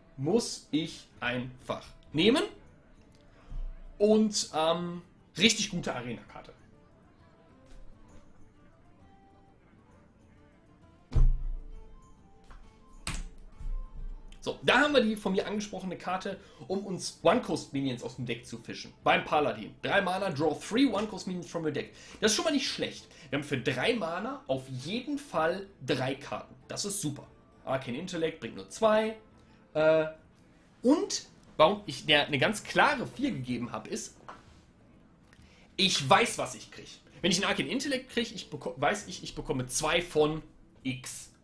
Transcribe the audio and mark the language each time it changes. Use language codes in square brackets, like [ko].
[de] Muss ich einfach nehmen. Und richtig gute Arena-Karte. So, da haben wir die von mir angesprochene Karte, um uns One-Cost-Minions aus dem Deck zu fischen. Beim Paladin. [en] 3 Mana, draw 3 One-Cost-Minions from your deck. [de] Das ist schon mal nicht schlecht. Wir haben für 3 Mana auf jeden Fall 3 Karten. Das ist super. Arcane Intellect bringt nur 2. Und warum ich der eine ganz klare 4 gegeben habe, ist, ich weiß, was ich kriege. Wenn ich einen Arcane Intellect kriege, ich bekomme 2 von X.